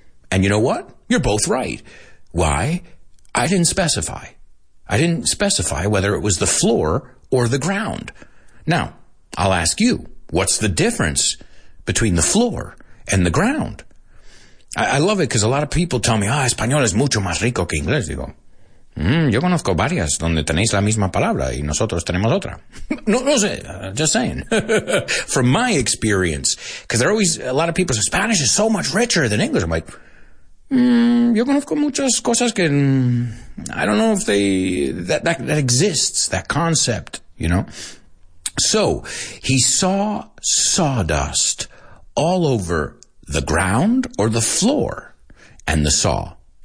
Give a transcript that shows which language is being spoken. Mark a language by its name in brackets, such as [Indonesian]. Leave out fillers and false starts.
[English] And you know what? You're both right. Why? I didn't specify. I didn't specify whether it was the floor or the ground. Now, I'll ask you, what's the difference between the floor and the ground? I love it because a lot of people tell me, ah, [Spanish] español es mucho más rico que inglés. Digo, yo conozco varias donde tenéis la misma palabra y nosotros tenemos otra. No sé, [English] just saying. From my experience, because there are always a lot of people say, Spanish is so much richer than English. I'm like, [Spanish] yo conozco muchas cosas que, [English] I don't know if they, that exists, that concept, you know? So, he saw sawdust all over the ground or the floor and the saw.